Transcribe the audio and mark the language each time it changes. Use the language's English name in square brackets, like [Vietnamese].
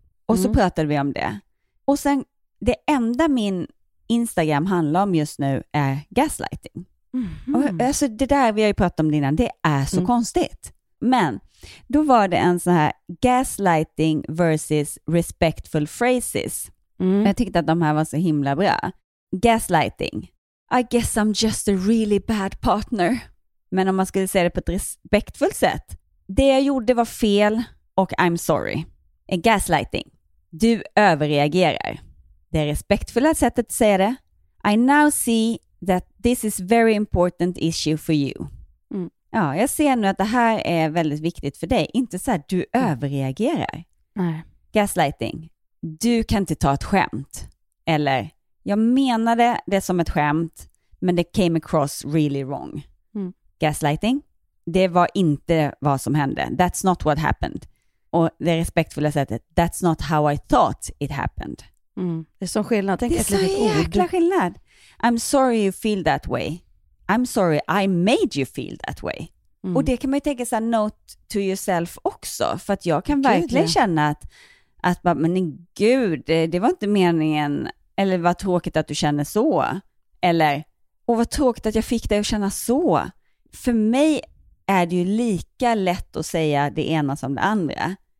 [Swedish] Och så pratade vi om det. Och sen, det enda min Instagram handlar om just nu är gaslighting. Mm. Och, alltså det där vi har ju pratat om innan, det är så konstigt. Men då var det en sån här [English] gaslighting versus respectful phrases. [Swedish] Mm. Jag tyckte att de här var så himla bra. Gaslighting. [English] I guess I'm just a really bad partner. [Swedish] Men om man skulle säga det på ett respektfullt sätt. Det jag gjorde var fel och [English] I'm sorry. [Swedish] En gaslighting. Du överreagerar. Det respektfulla sättet att säga det. [English] I now see that this is very important issue for you. Mm. [Swedish] Ja, jag ser nu att det här är väldigt viktigt för dig. Inte så att du överreagerar. Nej. Gaslighting. Du kan inte ta ett skämt. Eller, jag menade det som ett skämt, men det [English] came across really wrong. Mm. [Swedish] Gaslighting. Det var inte vad som hände. [English] That's not what happened. [Swedish] Och det respektfulla sättet, [English] that's not how I thought it happened. [Swedish] Mm. Det är sån skillnad. Tänk, det är så jäkla skillnad. [English] I'm sorry you feel that way. I'm sorry I made you feel that way. [Swedish] Mm. Och det kan man ju tänka sig, [English] note to yourself [Swedish] också. För att jag kan verkligen känna att bara, men gud, det var inte meningen. Eller vad tråkigt att du känner så. Eller, och vad tråkigt att jag fick dig att känna så. För mig är det ju lika lätt att säga det ena som det andra.